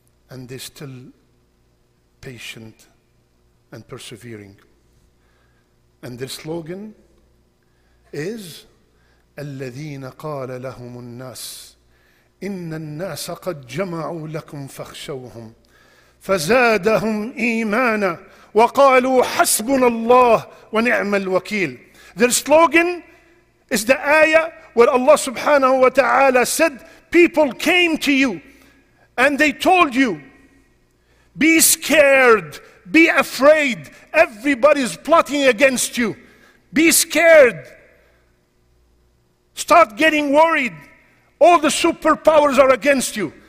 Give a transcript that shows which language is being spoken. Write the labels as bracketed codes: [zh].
[en] And they're still patient and persevering. And their slogan is, [ar] الَّذِينَ قَالَ لَهُمُ النَّاسِ إِنَّ النَّاسَ قَدْ جَمَعُوا لَكُمْ فَخْشَوْهُمْ فَزَادَهُمْ إِيمَانًا وَقَالُوا حَسْبُنَا اللَّهُ وَنِعْمَ الْوَكِيلُ. [en] Their slogan is the ayah where Allah subhanahu wa ta'ala said, people came to you and they told you, be scared, be afraid, everybody is plotting against you, be scared, start getting worried, all the superpowers are against you.